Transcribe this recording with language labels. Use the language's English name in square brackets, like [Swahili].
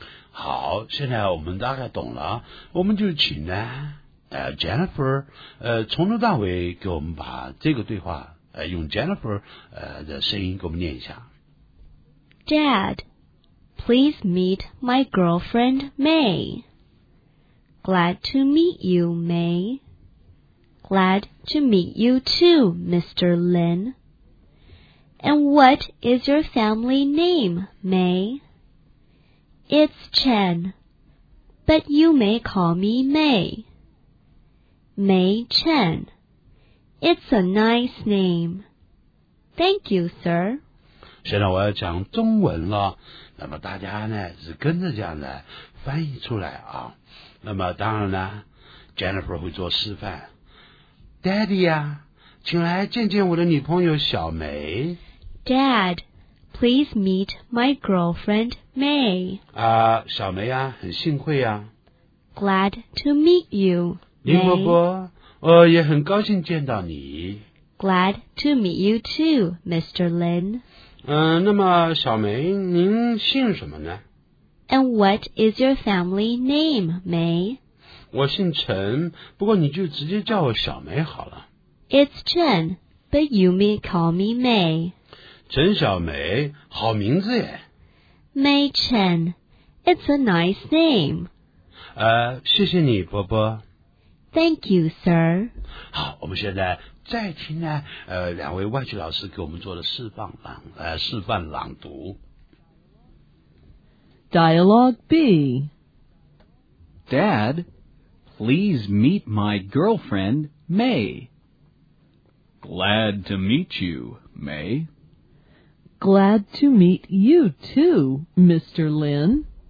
[Chinese] 好，现在我们大概懂了，我们就请呢Jennifer 从头到尾给我们把这个对话用 Jennifer 的声音给我们念一下。 [English] Dad, please meet my girlfriend May. Glad to meet you, May. Glad to meet you too, Mr. Lin. And what is your family name, May? It's Chen, but you may call me May. May Chen. It's a nice name. Thank you, sir. [Chinese] 现在我要讲中文了，那么大家呢，是跟着这样的翻译出来啊。那么当然呢，Jennifer 会做示范。Daddy 呀，请来见见我的女朋友小梅。 [English] Dad, please meet my girlfriend, May. [Chinese] 小梅啊，很幸会啊。 [English] Glad to meet you, May. [Chinese] 林伯伯，也很高兴见到你。 [English] Glad to meet you too, Mr. Lin. [Chinese] 那么小梅，您姓什么呢？ [English] And what is your family name, May? [Chinese] 我姓陈，不过你就直接叫我小梅好了。 [English] It's Chen, but you may call me May. [Chinese] 陈小梅，好名字耶。 [English] May Chen, it's a nice name. [Chinese] 谢谢你，波波。 [English] Thank you, sir. [Chinese] 好，我们现在再听呢，两位外籍老师给我们做的示范朗读。 [English] Dialogue B. Dad, please meet my girlfriend, May. Glad to meet you, May. Glad to meet you too, Mr. Lin.